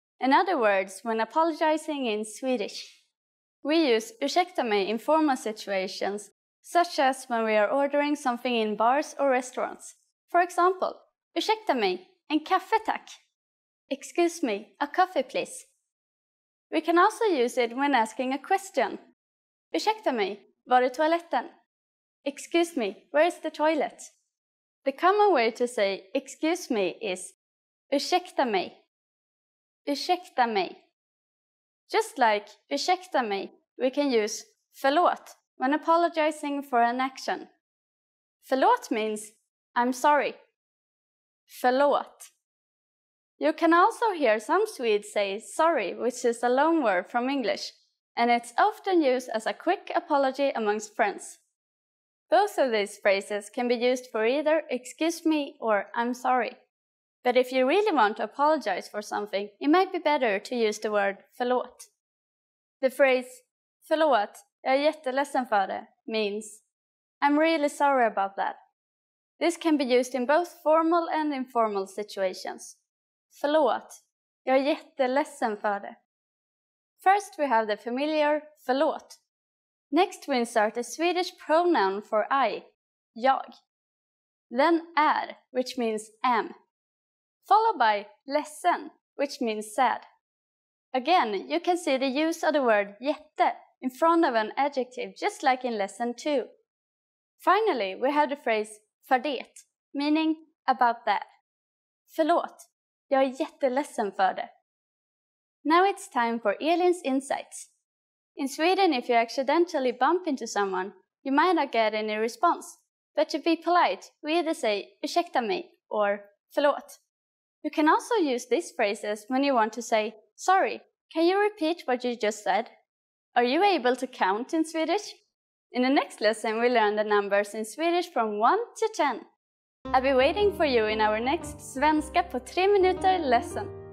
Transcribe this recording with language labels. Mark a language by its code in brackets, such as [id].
[en] In other words, when apologizing in Swedish. We use [sv] ursäkta mig [en] in formal situations, such as when we are ordering something in bars or restaurants. For example, [sv] ursäkta mig, en kaffe tack. [en] Excuse me, a coffee please. We can also use it when asking a question. [sv] Ursäkta mig, var är toaletten? [en] Excuse me, where is the toilet? The common way to say excuse me is [sv] ursäkta mig. Ursäkta mig. [en] Just like ursäkta mig, we can use förlåt when apologizing for an action. Förlåt means I'm sorry. Förlåt. You can also hear some Swedes say sorry, which is a loan word from English, and it's often used as a quick apology amongst friends. Both of these phrases can be used for either excuse me or I'm sorry. But if you really want to apologize for something, it might be better to use the word förlåt. The phrase [sv] förlåt, jag är jätteledsen för det, [en] means I'm really sorry about that. This can be used in both formal and informal situations. [sv] Förlåt, jag är jätteledsen för det. [en] First we have the familiar förlåt. Next we insert a Swedish pronoun for I, jag. Then är, which means am. Followed by ledsen, which means sad. Again, you can see the use of the word jätte in front of an adjective, just like in lesson 2. Finally, we have the phrase för det, meaning about that. [sv] Förlåt, jag är jätteledsen för det. [en] Now it's time for Elin's insights. In Sweden, if you accidentally bump into someone, you might not get any response. But to be polite, we either say [sv] ursäkta mig [en] or förlåt. You can also use these phrases when you want to say, sorry, can you repeat what you just said? Are you able to count in Swedish? In the next lesson, we learn the numbers in Swedish from 1 to 10. I'll be waiting for you in our next Svenska på 3 minuter lesson.